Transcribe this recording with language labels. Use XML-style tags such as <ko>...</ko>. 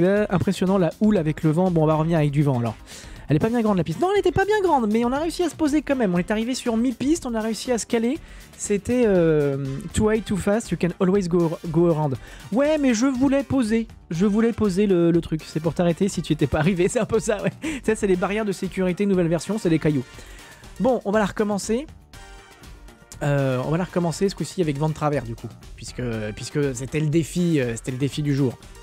<fr>Impressionnant la houle avec le vent. Bon, on va revenir avec du vent alors. Elle est pas bien grande la piste. Non, elle était pas bien grande, mais on a réussi à se poser quand même. On est arrivé sur mi-piste, on a réussi à se caler. C'était</fr> <en>too high, too fast, you can always go around.</en> <fr>Ouais, mais je voulais poser. Je voulais poser le truc. C'est pour t'arrêter si tu étais pas arrivé, c'est un peu ça, ouais. Ça, c'est les barrières de sécurité, nouvelle version, c'est des cailloux. Bon, on va la recommencer. On va la recommencer ce coup-ci avec vent de travers, du coup, puisque c'était le défi du jour.</fr>